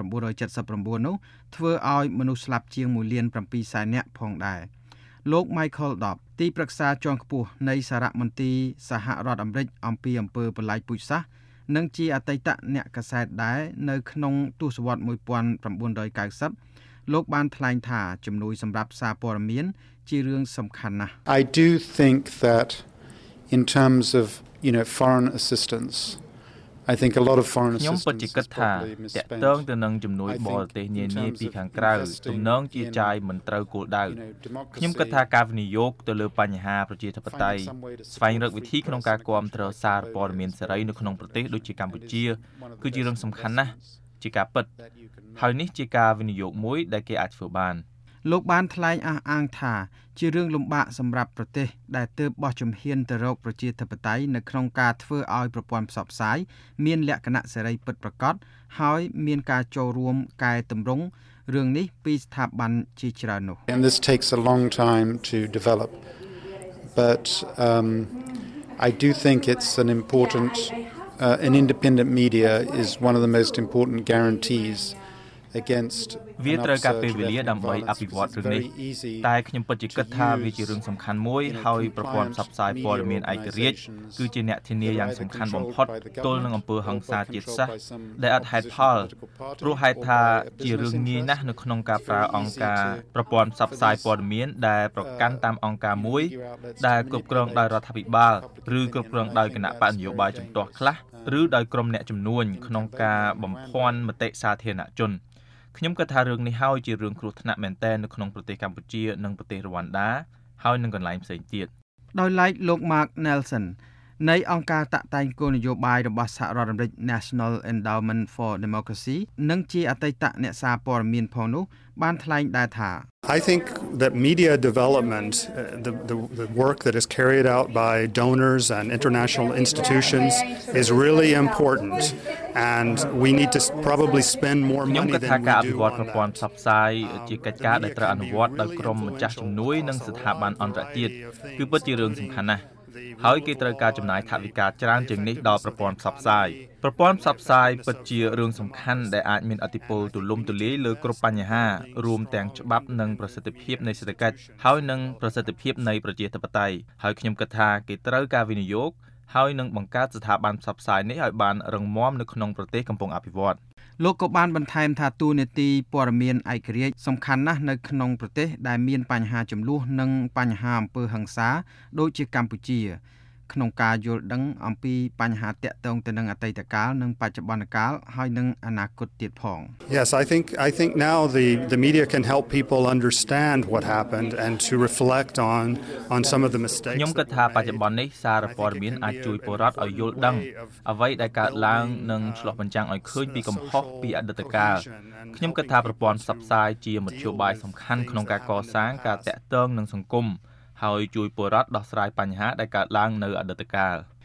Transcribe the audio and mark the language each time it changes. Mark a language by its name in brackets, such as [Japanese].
[Khmer] 1979នោះធ្វើឲ្យមនុស្សស្លាប់ជាង1,740,000នាក់ផងដែរលោក Michael Dobb ទីប្រឹក្សាជាន់ខ្ពស់នៃសារមន្ទីរសហរដ្ឋអាមេរិកអំពីអំពើប្រល័យពូជសាសន៍និងជាអតីតអ្នកកាសែតដែរនៅក្នុងទសវត្ស1990លោកបានថ្លែងថាជំនួយសម្រាប់សារព័ត៌មានជារឿងសំខាន់ណាស់ [English] I do think that in terms of you know foreign assistance I think a lot of foreign assistance is probably misspent. [Khmer] តើតើនឹងជំនួយបរទេសនានាពីខាងក្រៅទំនងជាចាយមិនត្រូវគោលដៅខ្ញុំគិតថាការវិនិយោគទៅលើបញ្ហាប្រជាធិបតេយ្យស្វែងរកវិធីក្នុងការគ្រប់គ្រងសារព័ត៌មានសេរីនៅក្នុងប្រទេសដូចជាកម្ពុជាគឺជារឿងសំខាន់ណាស់ជាការពិតហើយនេះជាការវិនិយោគមួយដែលគេអាចធ្វើបាន លោកបានថ្លែងអះអាងថាជារឿងលំបាកសម្រាប់ប្រទេសដែលទើបបោះជំហានទៅរកប្រជាធិបតេយ្យនៅក្នុងការធ្វើឲ្យប្រព័ន្ធផ្សព្វផ្សាយមានលក្ខណៈសេរីពិតប្រាកដហើយមានការចូលរួមកែតម្រង់រឿងនេះពីស្ថាប័នជាច្រើននោះ [English] And this takes a long time to develop but I do think it's an important an independent media is one of the most important guarantees against [Khmer] វាត្រូវការពេលវេលាដើម្បីអភិវឌ្ឍរឿងនេះតែខ្ញុំពិតជាគិតថាវាជារឿងសំខាន់មួយហើយប្រព័ន្ធផ្សព្វផ្សាយព័ត៌មានឯករាជ្យគឺជាអ្នកធានាយ៉ាងសំខាន់បំផុតទល់នឹងអំពើហិង្សាជាតិសាសន៍ដែលអត់ហេតុផល ព្រោះហេតុថាជារឿងងាយណាស់នៅក្នុងការប្រើអង្គការប្រព័ន្ធផ្សព្វផ្សាយព័ត៌មានដែលប្រកាន់តាមអង្គការមួយដែលគ្រប់គ្រងដោយរដ្ឋាភិបាលឬគ្រប់គ្រងដោយគណៈបកនយោបាយចំទាស់ខ្លះឬដោយក្រុមអ្នកជំនួញក្នុងការបំភាន់មតិសាធារណជនខ្ញុំគិតថារឿងនេះហើយជារឿងគ្រោះថ្នាក់មែនទែននៅក្នុងប្រទេសកម្ពុជានិងប្រទេសរ្វ៉ាន់ដាហើយនិងកន្លែងផ្សេងទៀត ដោយឡែកលោក Mark Nelson នៃអង្គការតាក់តែងគោលនយោបាយរបស់សហរដ្ឋអាមេរិក National Endowment for Democracy និងជាអតីតអ្នកសារព័ត៌មានផងនោះបានថ្លែងដែរថា [English] I think that media development the work that is carried out by donors and international institutions is really important and we need to probably spend more money than we do on that. [Khmer] ប្រព័ន្ធផ្សព្វផ្សាយជាកិច្ចការដែលត្រូវអនុវត្តដោយក្រុមម្ចាស់ជំនួយនិងស្ថាប័នអន្តរជាតិគឺពិតជារឿងសំខាន់ណាស់ហើយគេត្រូវការចំណាយថវិកាច្រើនជាងនេះដល់ប្រព័ន្ធផ្សព្វផ្សាយប្រព័ន្ធផ្សព្វផ្សាយពិតជារឿងសំខាន់ដែលអាចមានឥទ្ធិពលទូលំទូលាយលើគ្រប់បញ្ហារួមទាំងច្បាប់និងប្រសិទ្ធភាពនៃសេដ្ឋកិច្ចហើយនិងប្រសិទ្ធភាពនៃប្រជាធិបតេយ្យហើយខ្ញុំគិតថាគេត្រូវការវិនិយោគហើយនិងបង្កើតស្ថាប័នផ្សព្វផ្សាយនេះឲ្យបានរឹងមាំនៅក្នុងប្រទេសកំពុងអភិវឌ្ឍ លោកក៏បានបន្ថែមថាទូនីតិព័ត៌មានឯករាជ្យសំខាន់ណាស់នៅក្នុងប្រទេសដែលមានបញ្ហាចំនួននិងបញ្ហាអំពើហិង្សាដូចជាកម្ពុជាក្នុងការយល់ដឹងអំពីបញ្ហាតាក់ទងទៅនឹងអតីតកាលនិងបច្ចុប្បន្នកាលហើយនិងអនាគតទៀតផង [English] Yes I think now the media can help people understand what happened and to reflect on some of the mistakes [Khmer] ខ្ញុំគិតថាបច្ចុប្បន្ននេះសារព័ត៌មានអាចជួយពលរដ្ឋឲ្យយល់ដឹងអ្វីដែលកើតឡើងនិងឆ្លុះបញ្ចាំងឲ្យឃើញពីកំហុសពីអតីតកាលខ្ញុំគិតថាប្រព័ន្ធផ្សព្វផ្សាយជាមធ្យោបាយសំខាន់ក្នុងការកសាងការតាក់ទងនឹងសង្គមហើយជួយពលរដ្ឋដោះស្រាយបញ្ហាដែលកើតឡើងនៅអតីតកាល